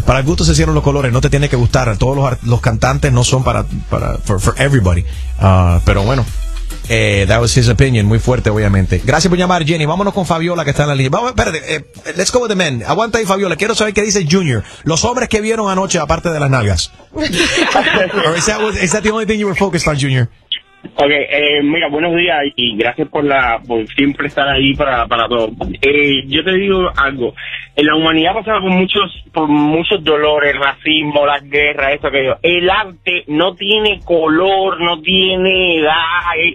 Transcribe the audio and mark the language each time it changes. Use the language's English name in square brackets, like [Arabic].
[Spanish] Para el gusto se hicieron los colores. No te tiene que gustar. Todos los cantantes no son para [English] for everybody. [Spanish] Pero bueno. [English] That was his opinion. [Spanish] Muy fuerte, obviamente. Gracias por llamar, Jenny. Vámonos con Fabiola, que está en la línea. Vamos, espérate. [English] Let's go with the men. [Spanish] Aguanta ahí, Fabiola. Quiero saber qué dice Junior. Los hombres que vieron anoche, aparte de las nalgas. [English] Or is that the only thing you were focused on, Junior? [Spanish] Ok, mira, buenos días y gracias por siempre estar ahí para todo. Yo te digo algo, la humanidad ha pasado por muchos dolores, el racismo, las guerras, eso que yo. El arte no tiene color, no tiene edad.